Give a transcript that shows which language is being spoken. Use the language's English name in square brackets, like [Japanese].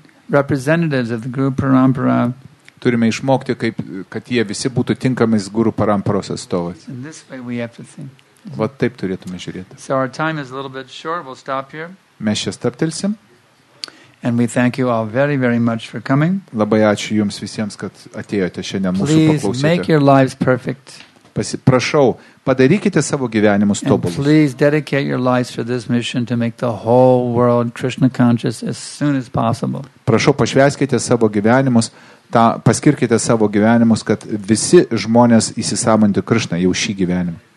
[Lithuanian] Turime išmokti, kaip, kad jie visi būtų tinkamais Guru Paramparos atstovais. Vat taip turėtume žiūrėti. [English] So our time is a little bit short. We'll stop here. [Lithuanian] Mes čia staptelsim. [English] And we thank you all very, very much for coming. [Lithuanian] Labai ačiū jums visiems, kad atėjote šiandien mūsų paklausyti. [English] Please make your lives perfect. [Lithuanian] Prašau, padarykite savo gyvenimus tobulus. [English] Please dedicate your lives for this mission to make the whole world Krishna conscious as soon as possible. [Lithuanian] Prašau, pašvęskite savo gyvenimus, tą paskirkite savo gyvenimus, kad visi žmonės įsisamantų Krishna jau šį gyvenimą.